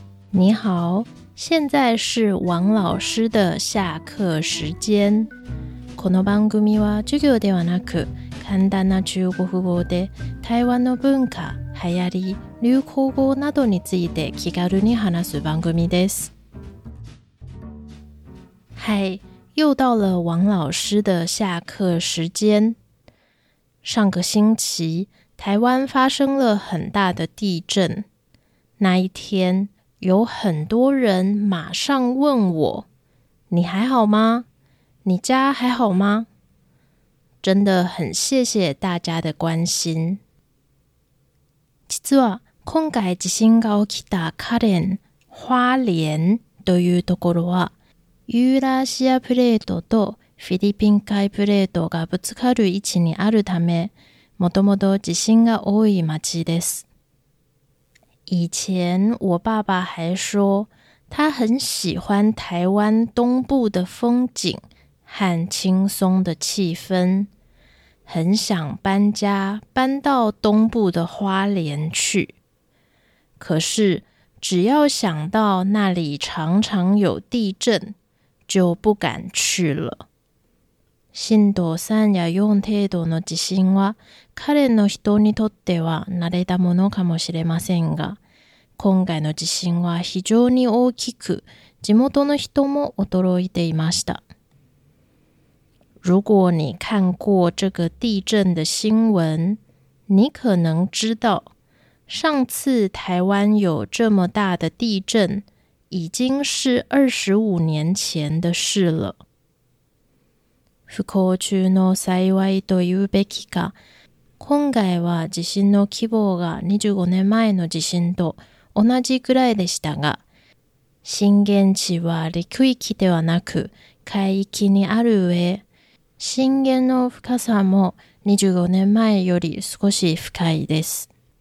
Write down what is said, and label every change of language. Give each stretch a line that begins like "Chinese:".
Chinese: 你好，现在是王老师的下课时间。
Japanese: この番組は授業ではなく、簡単な中国語で台湾の文化、流行り、流行語などについて気軽に話す番組です。
Chinese: 嗨，又到了王老师的下课时间。上个星期，台湾发生了很大的地震。那一天，有很多人马上问我：“你还好吗？你家还好吗？” 真的很谢谢大家的关心。
Japanese: 実は今回地震が起きたカレン、花蓮というところは、ユーラシアプレートとフィリピン海プレートがぶつかる位置にあるため、もともと地震が多い町です。
Chinese: 以前我爸爸还说，他很喜欢台湾东部的风景和轻松的气氛，很想搬家，搬到东部的花莲去。可是，只要想到那里常常有地震，就不敢去了。
Japanese: 震度3や4程度の地震は、彼の人にとっては慣れたものかもしれませんが、今回の地震は非常に大きく、地元の人も驚いていました。
Chinese: 如果你看过这个地震的新闻，你可能知道，上次台湾有这么大的地震，已经是25年前的事了。
Japanese: 不幸中の幸いと言うべきか、今回は地震の規模が25年前の地震と同じくらいでしたが、震源地は陸域ではなく海域にある上、震源の深さも25年前より少し深いです。